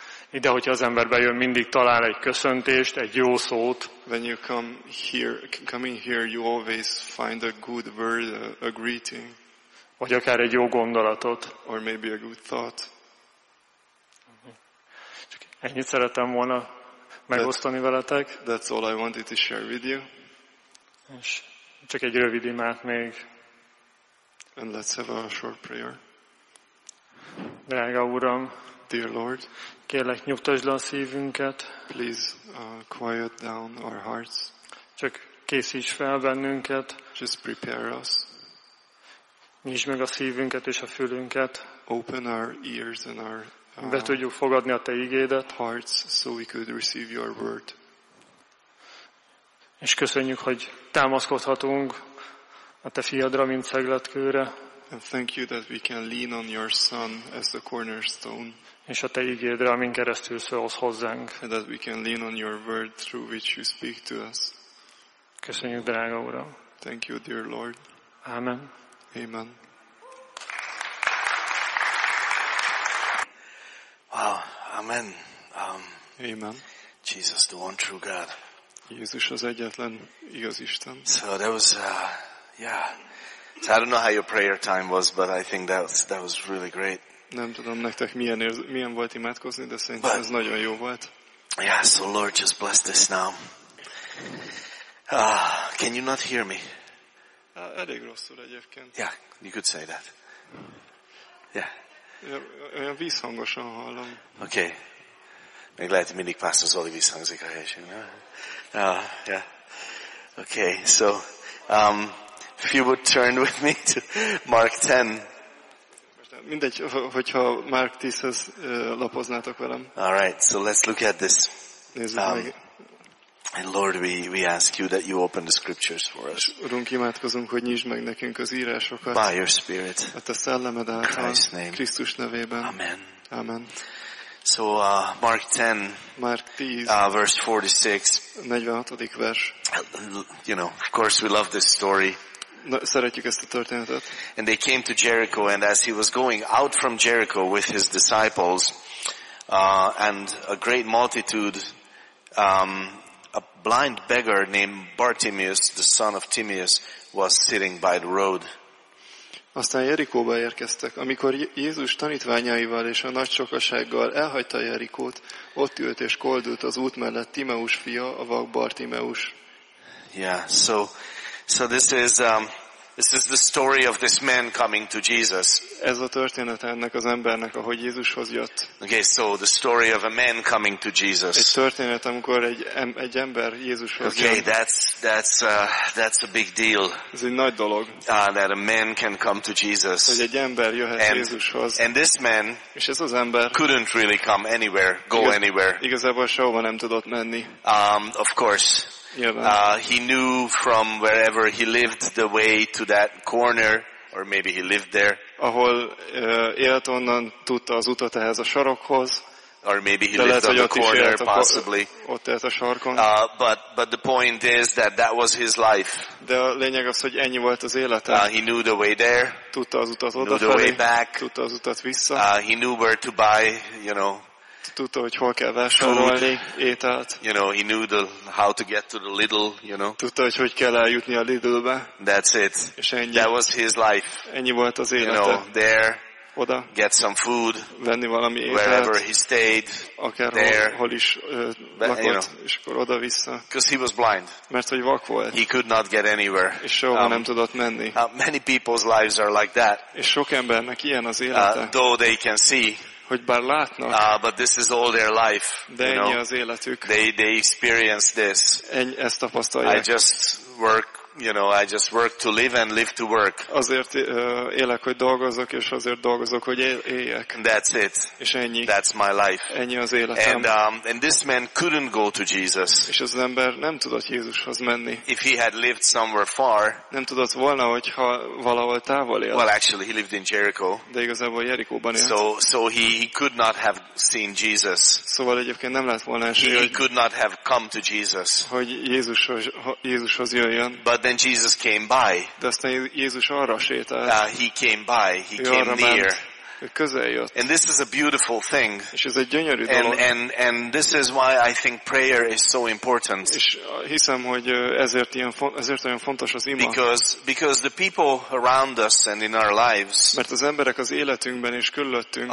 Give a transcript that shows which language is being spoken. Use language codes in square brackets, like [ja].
[hu] Ide, hogyha az ember bejön, mindig talál egy köszöntést, egy jó szót. [en] When you come in here, you always find a good word, a greeting. [hu] Vagy akár egy jó gondolatot. [en] Or maybe a good thought. [hu] Csak ennyit szeretem volna megosztani veletek. [en] That's all I wanted to share with you. [hu] És csak egy rövid imát még. [en] And let's have a short prayer. [hu] Drága Uram, [en] dear Lord, [hu] kérlek, nyugtasd le a szívünket. [en] Please quiet down our hearts. [hu] Csak készíts fel bennünket. [en] Just prepare us. [hu] Nyisd meg a szívünket és a fülünket. [en] Open our ears and our [hu] be tudjuk fogadni a te igédet. [en] Hearts, so we could receive your word. [hu] És köszönjük, hogy támaszkodhatunk a te fiadra, mint szegletkőre. [en] And thank you that we can lean on your son as the cornerstone. [hu] És a te igédre, amin keresztül szólsz hozzánk. [en] And that we can lean on your word through which you speak to us. [hu] Köszönjük, drága Uram. [en] Thank you, dear Lord. Amen. Amen. Wow. Amen. Amen. Jesus, the one true God. [hu] Jézus az egyetlen igaz Isten. [en] So that was, So I don't know how your prayer time was, but I think that was really great. [hu] Nem tudom nektek milyen volt imádkozni, de szerintem ez nagyon jó volt. [en] Yeah, so Lord, just bless this now. Can you not hear me? [hu] Elég rosszul egyébként. [en] Yeah, you could say that. Yeah. [hu] Olyan vízhangosan hallom. [en] Okay. [hu] Meg lehet, hogy mindig pásztor Zoli vízhangzik a helyesen. [en] Yeah. Okay, so if you would turn with me to Mark 10. [hu] Mindegy, hogyha Mark 10-hez lapoznátok velem. [en] All right, so let's look at this. And Lord, we ask you that you open the scriptures for us. [hu] Urunk, imádkozunk, hogy nyisd meg nekünk az írásokat. [en] By your spirit. [hu] A te szellemed által. [en] Christ's name. [hu] Krisztus nevében. Amen. Amen. [en] So Mark 10. Mark 10. Verse 46. [hu] 46. vers. [en] You know, of course we love this story. [hu] Szeretjük ezt a történetet. [en] And they came to Jericho, and as he was going out from Jericho with his disciples, and a great multitude, a blind beggar named Bartimaeus, the son of Timaeus, was sitting by the road. [hu] Aztán Jerikóba érkeztek. Amikor Jézus tanítványaival és a nagy sokasággal elhagyta Jerikót, ott ült és koldult az út mellett Timaeus fia, a vak Bartimaeus. [en] Yeah, so this is the story of this man coming to Jesus. [hu] Ez a történet ennek az embernek, ahogy Jézushoz jött. [en] Okay, so the story of a man coming to Jesus. [hu] Egy történet, amikor egy ember Jézushoz jött. [en] Okay, that's a big deal. [hu] Ez egy nagy dolog. [en] That a man can come to Jesus. [hu] Hogy egy ember jöhet Jézushoz. [en] And this man, [hu] és ez az ember, [en] couldn't really come anywhere, go anywhere. [hu] Igazából sehova nem tudott menni. [en] Of course. He knew from wherever he lived the way to that corner, or maybe he lived there. [hu] Ahol élt, onnan tudta az utat ehhez a sarokhoz. [en] Or maybe he lived on the corner, possibly. [hu] Ott élt a sarkon. [en] But the point is that was his life. [hu] De a lényeg az, hogy ennyi volt az élete. [en] He knew the way there. [hu] Tudta az utat odafelé. [en] Knew the way back. [hu] Tudta az utat vissza. [en] He knew where to buy, you know. [hu] Tudta, hogy hol kell vásárolni ételt. [en] You know, he knew how to get to the Lidl, you know. [hu] Tudta, hogy kell eljutni a Lidlbe. [en] That's it. [hu] És ennyi. [en] That was his life. [hu] Ennyi volt az élete. [en] You know, there. [hu] oda, [en] get some food, [hu] venni valami ételt, [en] wherever he stayed, [hu] akár [en] there, [hu] hol is lakott, [en] you know, [hu] és akkor oda vissza. [en] Because he was blind. [hu] Mert hogy vak volt. [en] He could not get anywhere. [hu] És soha nem tudott menni. [en] Many people's lives are like that. [hu] És sok embernek ilyen az élete. [en] Though they can see, [hu] hogy bár látnak, [en] but this is all their life, [hu] de [en] you know, [hu] ennyi az életük. [en] They experience this. [hu] Ezt tapasztalják. [en] I just work, you know, I just work to live and live to work. [hu] Azért élek, hogy dolgozzak, és azért dolgozok, hogy éljek. [en] That's it. [hu] És ennyi. [en] That's my life. [hu] Ennyi az életem. [en] And this man couldn't go to Jesus. [hu] És az ember nem tudott Jézushoz menni. [en] If he had lived somewhere far. [hu] Nem tudott volna, hogyha valahol távol él. [en] Well, actually, he lived in Jericho. [hu] De igazából Jerikóban élt. [en] So he could not have seen Jesus. [hu] Szóval egyébként nem lett volna esélye. [en] He could not have come to Jesus. [hu] Hogy Jézushoz jöjjön. [en] But then Jesus came by. [hu] De aztán Jézus arra sétált. [en] He came by. He came near. [hu] Közel jött. [en] And this is a beautiful thing. [hu] És ez egy gyönyörű dolog. [en] And this is why I think prayer is so important. [hu] És hiszem, hogy ezért olyan fontos az ima. [en] Because the people around us and in our lives. [hu] Mert az emberek az életünkben és körülöttünk.